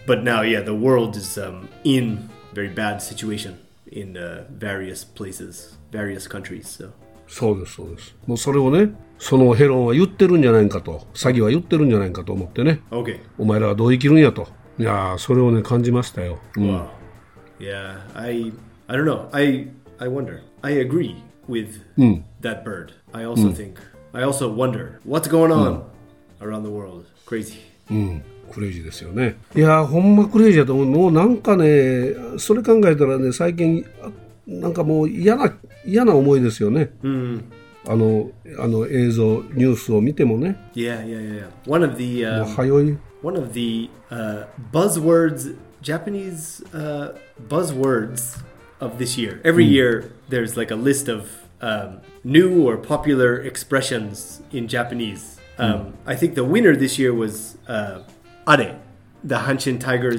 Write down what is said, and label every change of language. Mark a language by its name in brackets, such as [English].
[English] but now, yeah, the world is、in very bad situation in、various places, various countries. So. [Japanese] そうです、そうです。もうそれをね、そのヘロンは言ってるんじゃないかと、サギは言ってるんじゃないかと思ってね。 [English] Okay. [Japanese] お前らはどう生きるんやと。いやー、それをね、感じましたよ。 [English] Wow.、うん、yeah, I don't know. I wonder. I agree with、 [Japanese] うん、 [English] that bird. I also、うん、think... I also wonder what's going on、うん、around the world. Crazy. [Japanese] うん、クレイジーですよね。いや、ほんまクレイジーだと思う。もうなんかね、それ考えたらね、最近なんかもう嫌な思いですよね。うん。あの映像ニュースを見てもね。 [English] Yeah. One of the、 [Japanese] もう早い。 [English] One of the、buzzwords, Japanese、buzzwords of this year. Every、うん、year, there's like a list of、new or popular expressions in Japanese.、I think the winner this year was、are, the Hanshin Tigers.